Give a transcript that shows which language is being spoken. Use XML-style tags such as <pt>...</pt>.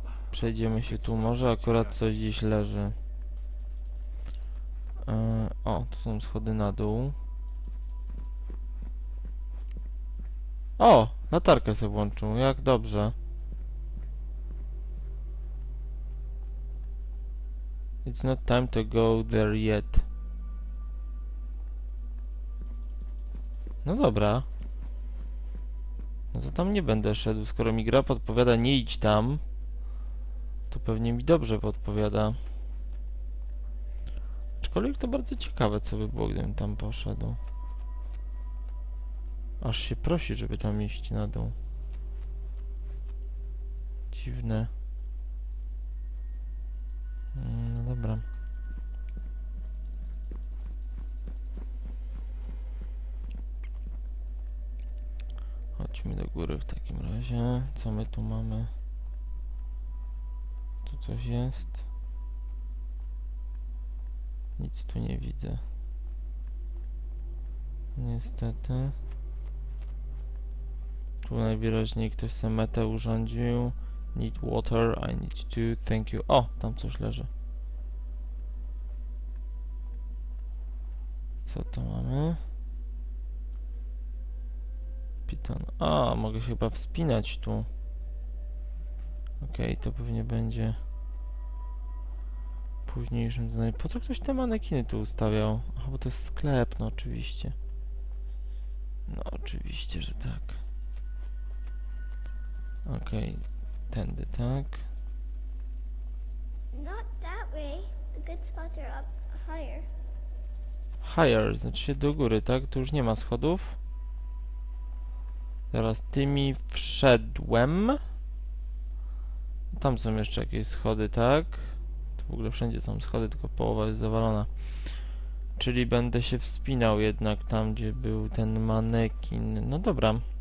<pl>Przejdziemy się tu, może akurat coś gdzieś leży. O, tu są schody na dół. O, latarkę sobie włączył, jak dobrze.</pl> <en>It's not time to go there yet.</en> <pl>No dobra. No to tam nie będę szedł, skoro mi gra podpowiada nie idź tam. To pewnie mi dobrze podpowiada. Aczkolwiek to bardzo ciekawe, co by było, gdybym tam poszedł. Aż się prosi, żeby tam iść na dół. Dziwne. No dobra. Chodźmy do góry w takim razie. Co my tu mamy? Tu coś jest? Nic tu nie widzę. Niestety. Tu najwyraźniej ktoś sam metę urządził.</pl> <en>Need water, I need to, thank you.</en> <pl>O, tam coś leży. Co to mamy? Piton. A, mogę się chyba wspinać tu. Okej, to pewnie będzie późniejszym zdaniem. Po co ktoś te manekiny tu ustawiał? A, bo to jest sklep, no oczywiście. No oczywiście, że tak. Okej, tędy, tak.</pl> <en>Not that way. The good spots are up higher.</en> <pl>Higher, znaczy się do góry, tak? Tu już nie ma schodów. Teraz tymi wszedłem. Tam są jeszcze jakieś schody, tak? Tu w ogóle wszędzie są schody, tylko połowa jest zawalona. Czyli będę się wspinał jednak tam, gdzie był ten manekin. No dobra.</pl>